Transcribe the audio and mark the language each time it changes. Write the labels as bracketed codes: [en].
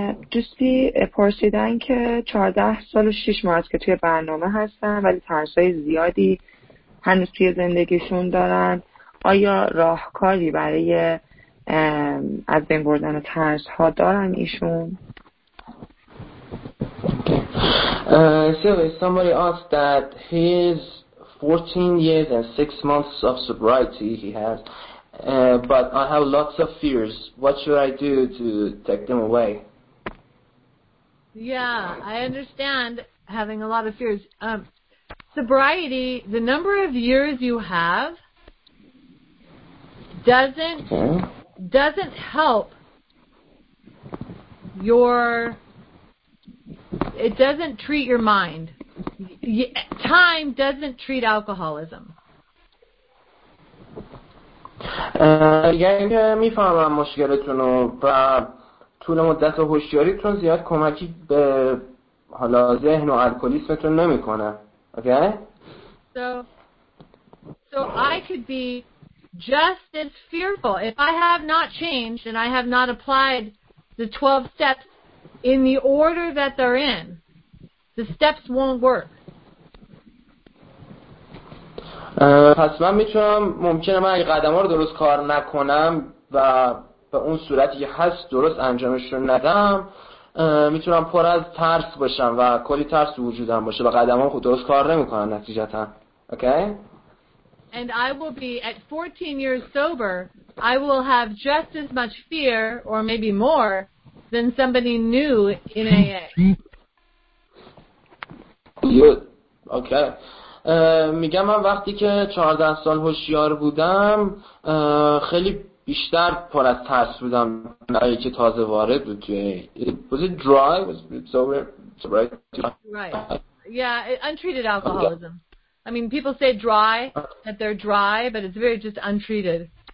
[fa] دوستی پرسیدن که 14 سال و 6 ماه است که توی برنامه هستن ولی ترسای زیادی هنوز توی زندگیشون دارن. آیا راهکاری برای از بین بردن ترس ها دارن ایشون؟ [en] So somebody asked that his 14 years and 6 months of sobriety he has. But I have lots of fears. What should I do to take them away? Yeah, I understand having a lot of fears. Sobriety, the number of years you have doesn't help your... It doesn't treat your mind. Time doesn't treat alcoholism. [fa] یعنی میفهمم مشکلتون رو و طول مدت و هوشیاریتون زیاد کمکی به حالا ذهن و الکلیسمتون نمی کنه. [en] Okay? So I could be just as fearful if I have not changed and I have not applied the 12 steps in the order that they're in. The steps won't work. [fa] پس من میتونم ممکنه من اگه قدم ها رو درست کار نکنم و به اون صورتی که هست درست انجامشون ندم میتونم پر از ترس باشم و کلی ترس وجودم باشه و قدم ها خود درست کار نمی کنم نتیجتا. [en] Okay? And I will be at 14 years sober, I will have just as much fear, or maybe more, than somebody new in AA. Good. Okay. [fa] میگم من وقتی که 14 سال هوشیار بودم خیلی بیشتر پر از ترس بودم برای که تازه وارد بود توی [en] was it dry? Was it sober? Right. Yeah, untreated alcoholism. I mean, people say dry, that they're dry, but it's very just untreated.